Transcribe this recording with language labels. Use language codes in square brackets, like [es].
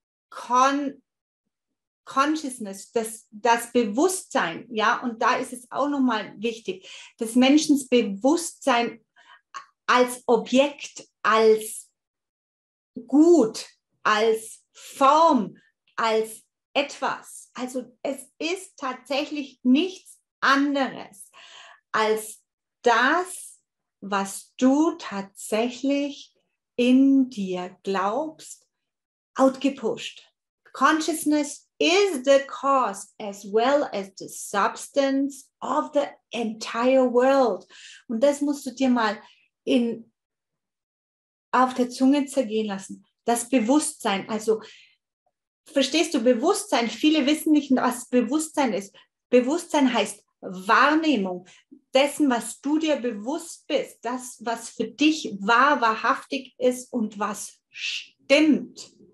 [de] Consciousness, das Bewusstsein, ja, und da ist es auch nochmal wichtig, das Menschenbewusstsein als Objekt, als Gut, als Form, als etwas. Also es ist tatsächlich nichts anderes als das, was du tatsächlich in dir glaubst, outgepusht. [en] Consciousness is the cause as well as the substance of the entire world. [de] Und das musst du dir mal auf der Zunge zergehen lassen. Das Bewusstsein, also verstehst du Bewusstsein? Viele wissen nicht, was Bewusstsein ist. Bewusstsein heißt Wahrnehmung dessen, was du dir bewusst bist, das, was für dich wahr, wahrhaftig ist und was stimmt.